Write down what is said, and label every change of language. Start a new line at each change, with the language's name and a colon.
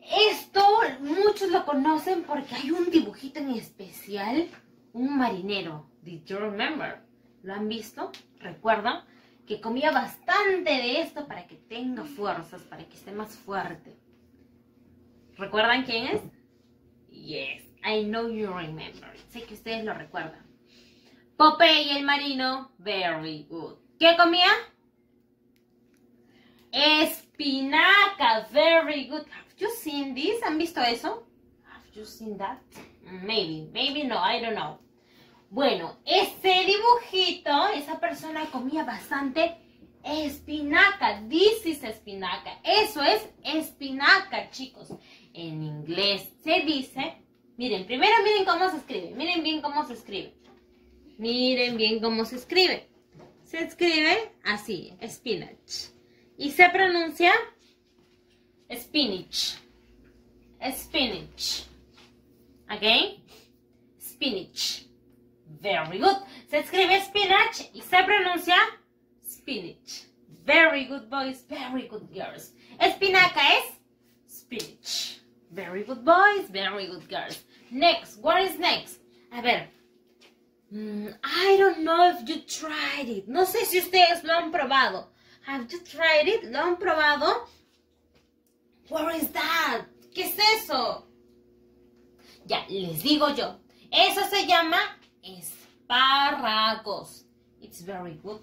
Spanish: Esto muchos lo conocen porque hay un dibujito en especial, un marinero.
English: Did you remember?
Spanish: ¿Lo han visto? ¿Recuerdan? Que comía bastante de esto para que tenga fuerzas, para que esté más fuerte. ¿Recuerdan quién es?
English: Yes, I know you remember.
Spanish: Sé que ustedes lo recuerdan. Popeye el marino,
English: very good.
Spanish: ¿Qué comía?
English: Espinaca, very good. You seen this?
Spanish: ¿Han visto eso?
English: Have you seen that? Maybe, maybe no, I don't know.
Spanish: Bueno, ese dibujito, esa persona comía bastante espinaca.
English: This is
Spanish: espinaca. Eso es espinaca, chicos. En inglés se dice, miren, primero miren cómo se escribe. Miren bien cómo se escribe. Miren bien cómo se escribe. Se escribe así, spinach. Y se pronuncia spinach. Spinach.
English: Again.
Spanish: Spinach.
English: Very good.
Spanish: Se escribe spinach y se pronuncia spinach.
English: Very good, boys. Very good, girls.
Spanish: Espinaca es
English: spinach. Very good, boys. Very good, girls. Next. What is next?
Spanish: A ver.
English: I don't know if you tried it.
Spanish: No sé si ustedes lo han probado.
English: Have you tried it?
Spanish: ¿Lo han probado?
English: What is that?
Spanish: ¿Qué es eso? Ya, les digo yo. Eso se llama espárragos.
English: It's very good.